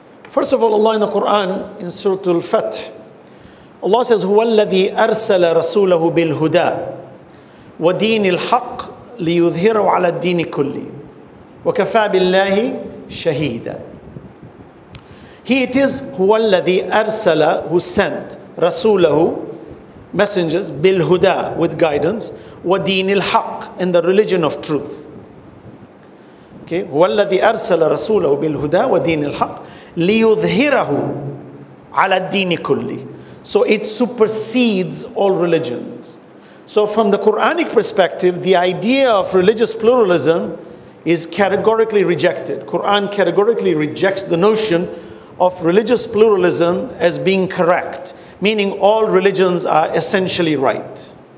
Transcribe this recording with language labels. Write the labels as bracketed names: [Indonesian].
[English] First of all, Allah in the Quran, in Surah Al-Fath, Allah says, [Arabic] هو الذي أرسل رسوله بالهدى ودين الحق ليظهره على الدين كله وكفى بالله شهيدا. [English] He it is, [Arabic] هو الذي أرسل, [English] who sent [Arabic] رسوله, [English] messengers, [Arabic] بالهدى, [English] with guidance, [Arabic] ودين الحق, [English] in the religion of truth. [Arabic] Okay, هو الذي أرسل رسوله بالهدى ودين الحق ليظهره على الدين كله. [English] So it supersedes all religions. So from the Quranic perspective, the idea of religious pluralism is categorically rejected. Quran categorically rejects the notion of religious pluralism as being correct, meaning all religions are essentially right.